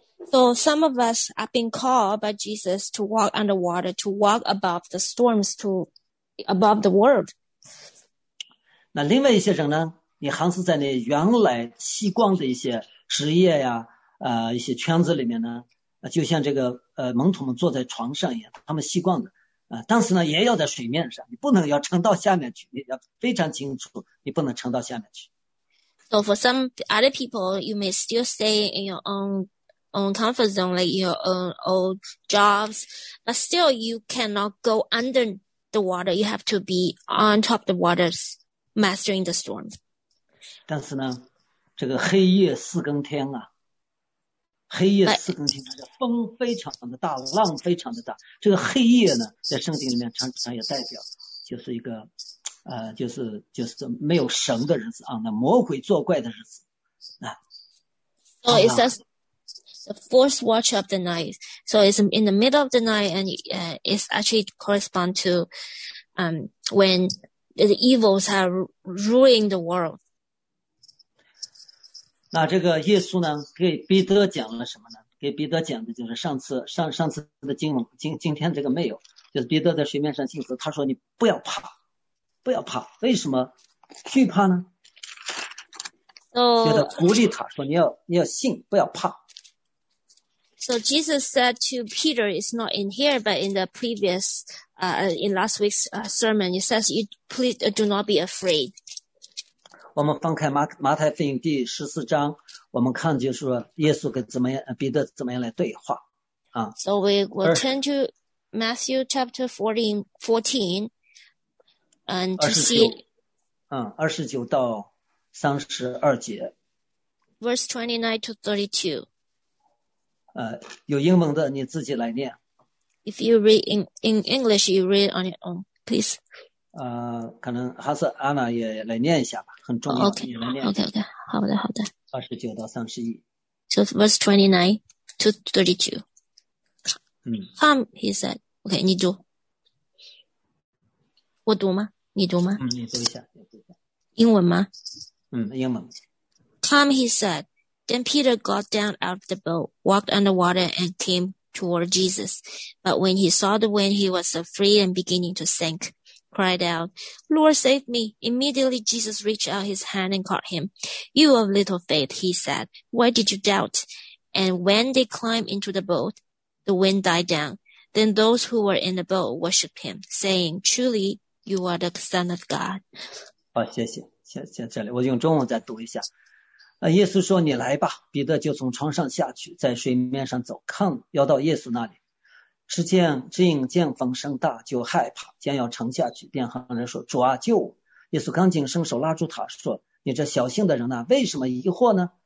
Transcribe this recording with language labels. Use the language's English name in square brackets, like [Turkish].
[English] So some of us have been called by Jesus to walk underwater, to walk above the storms, to above the world. [Chinese] 那另外一些人呢？你还是在你原来习惯的一些职业呀，一些圈子里面呢，就像这个门徒们坐在床上一样，他们习惯的，但是呢，也要在水面上，你不能要沉到下面去，你要非常清楚，你不能沉到下面去。 [English] So for some other people, you may still stay in your own comfort zone, like your own old jobs, but still you cannot go under the water. You have to be on top of the waters, mastering the storms. [Chinese] 但是呢，这个黑夜四更天啊，黑夜四更天，这风非常的大，浪非常的大。这个黑夜呢，在圣经里面常也代表，就是一个，就是没有神的日子啊，那魔鬼作怪的日子啊。 [English] So it says the fourth watch of the night. So it's in the middle of the night, and it's actually correspond to, when the evils have ruined the world. [Chinese] 那这个耶稣呢，给彼得讲了什么呢？给彼得讲的就是上次的经文，今天这个没有，就是彼得在水面上行走，他说你不要怕，不要怕，为什么惧怕呢？就他鼓励他说你要信，不要怕。 [English] So Jesus said to Peter, it's not in here, but in the previous, in last week's sermon, he says, "You please do not be afraid." [Chinese] 我们翻开马太福音第十四章，我们看就是说耶稣跟怎么样，彼得怎么样来对话，啊。 [English] So we will turn to Matthew chapter 14, and to see. [Chinese] 二十九到三十二节。 [English] Verse 29 to 32。 [Chinese] 有英文的你自己来念。 [English] If you read in English, you read on your own, please. [Chinese] 可能哈斯安娜也来念一下吧，很重要。 [English] Oh, okay. [Chinese] 你来念。 Okay. 好的，好的。 29到31。 [English] So verse 29 to 32。嗯。 Come, he said. Okay, [Chinese] 你读。我读吗？你读吗？嗯，你读一下。英文吗？嗯，英文。 [English] Come, he said. Then Peter got down out of the boat, walked on the water, and came toward Jesus. But when he saw the wind, he was afraid and beginning to sink, cried out, Lord, save me. Immediately Jesus reached out his hand and caught him. You of little faith, he said, why did you doubt? And when they climbed into the boat, the wind died down. Then those who were in the boat worshipped him, saying, truly, you are the Son of God. [Chinese] 好，谢谢，先这里，我用中文再读一下。耶稣说你来吧，彼得就从床上下去，在水面上走，看要到耶稣那里。只因见风声大，就害怕，将要沉下去，便喊人说，主啊，救我。耶稣赶紧伸手拉住他说，你这小信的人啊，为什么疑惑呢？